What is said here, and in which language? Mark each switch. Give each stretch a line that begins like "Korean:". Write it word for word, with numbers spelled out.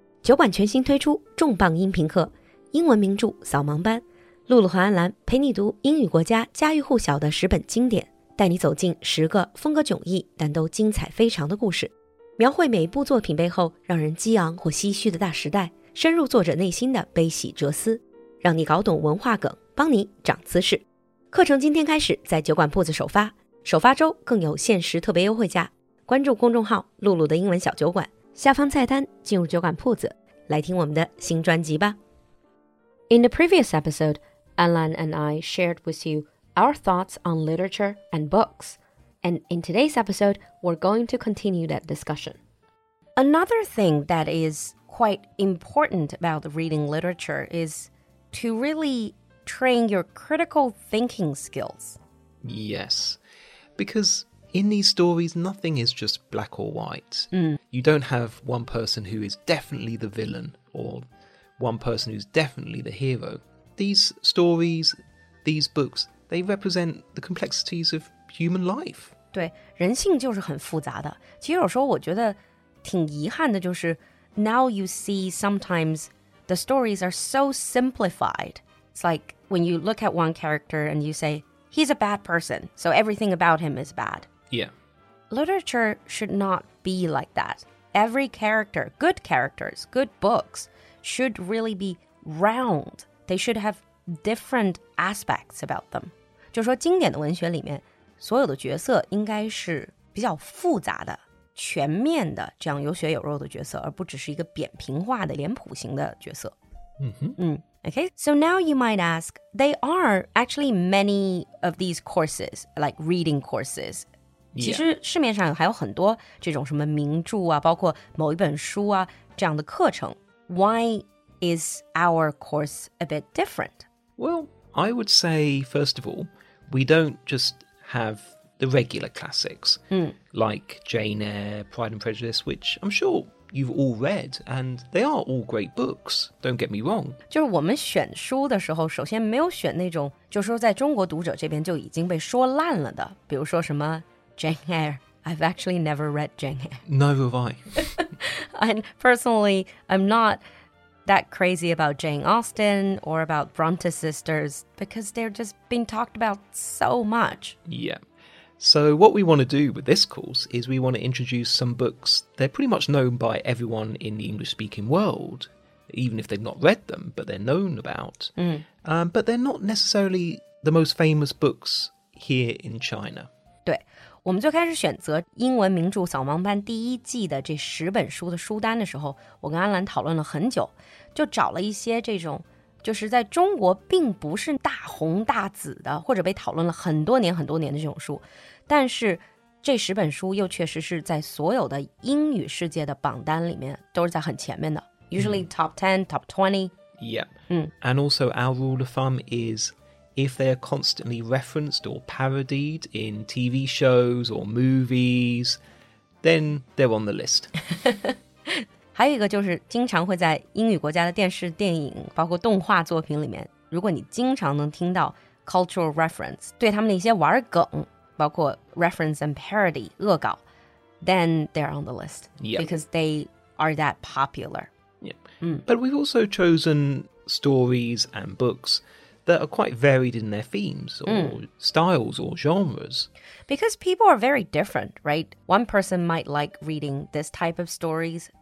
Chinese: 酒馆全新推出重磅音频课，英文名著扫盲班，露露和安澜陪你读英语国家家喻户晓的十本经典，带你走进十个风格迥异但都精彩非常的故事，描绘每部作品背后让人激昂或唏嘘的大时代，深入作者内心的悲喜哲思，让你搞懂文化梗，帮你长姿势。课程今天开始在酒馆铺子首发，首发周更有限时特别优惠价。关注公众号露露的英文小酒馆，下方菜单进入酒馆铺子，来听我们的新专辑吧。
English: In the previous episode, Anlan and I shared with you our thoughts on literature and books, and in today's episode, we're going to continue that discussion. Another thing that is quite important about reading literature is to really train your critical thinking skills. Yes, because in these stories, nothing is just black or white. Mm. You don't have one person who is definitely the villain or one person who's definitely the hero. These stories, these books, they represent the complexities of human life.
Chinese: 对，人性就是很复杂的。其实有时候我觉得挺遗憾的就是，
English: now you see sometimes... The stories are so simplified. It's like when you look at one character and you say, he's a bad person, so everything about him is bad. Yeah. Literature should not be like that. Every character, good characters, good books, should really be round. They should have different aspects about them.
Chinese: 就说经典的文学里面，所有的角色应该是比较复杂的。全面的这样有血有肉的角色，而不只是一个扁平化的脸谱型的角色。 Mm-hmm. 嗯
English: Okay, so now you might ask, there are actually many of these courses, like reading courses. Yeah.
Chinese: 其实市面上还有很多这种什么名著啊，包括某一本书啊这样的课程。
English: Why is our course a bit different? Well, I would say, first of all, we don't just have... the regular classics, mm. like Jane Eyre, Pride and Prejudice, which I'm sure you've all read, and they are all great books, don't get me wrong.
Chinese: 就是我们选书的时候，首先没有选那种，就是说在中国读者这边就已经被说烂了的，比如说什么 Jane Eyre,
English: I've actually never read Jane Eyre. Nor have I. And personally, I'm not that crazy about Jane Austen or about Bronte sisters, because they're just being talked about so much. Yeah. So what we want to do with this course is we want to introduce some books. They're pretty much known by everyone in the English-speaking world, even if they've not read them, but they're known about. Mm. Um, but they're not necessarily the most famous books here in China.
Chinese: 对，我们最开始选择英文名著扫盲班第一季的这十本书的书单的时候，我跟安澜讨论了很久，就找了一些这种就是在中国并不是大红大紫的，或者被讨论了很多年很多年的这种书，但是这十本书又确实是在所有的英语世界的榜单里面都是在很前面的
English: usually top ten, top twenty. Yeah. 嗯 And also our rule of thumb is if they are constantly referenced or parodied in T V shows or movies, then they're on the list.
Chinese: 还有一个就是经常会在英语国家的电视电影包括动画作品里面，如果你经常能听到
English: cultural reference，
Chinese: 对他们的一些玩梗，包括
English: reference and parody
Chinese: 恶搞，
English: then they're on the list、 yep. because they are that popular. Yep. 嗯 But we've also chosen stories and books that are quite varied in their themes or、嗯、 styles or genres. Because people are very different, right? One person might like reading this type of stories.